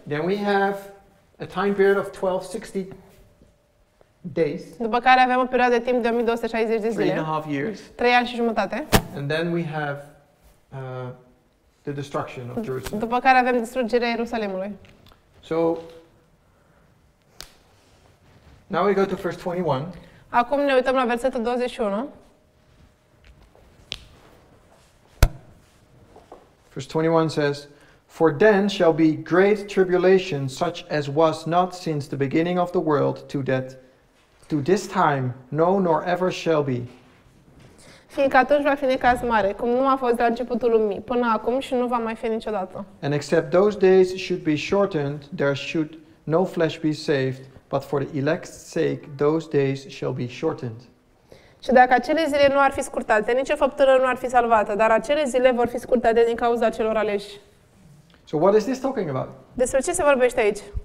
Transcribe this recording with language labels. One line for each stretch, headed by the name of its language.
English: Then we have a time period of 1260 days.
Romanian: După care avem o perioadă de timp de 1260 de zile.
English: 3.5 years.
Romanian: 3 ani și jumătate.
English: And then we have the destruction of Jerusalem.
Romanian: După care avem distrugerea Ierusalimului.
English: So now we go to verse 21.
Romanian: Acum ne uităm la versetul 21.
English: Verse 21 says, "For then shall be great tribulation, such as was not since the beginning of the world to that, to this time, no, nor ever shall be."
Romanian: Fiindcă atunci va fi necaz mare, cum nu a fost de la începutul lumii, până acum și nu va mai fi niciodată.
English: And except those days should be shortened, there should no flesh be saved, but for the elect's sake those days shall be shortened.
Romanian: Și dacă acele zile nu ar fi scurtate, nicio faptură nu ar fi salvată, dar acele zile vor fi scurtate din cauza celor aleși.
English: So what is this talking about?
Romanian: Despre ce se vorbește aici?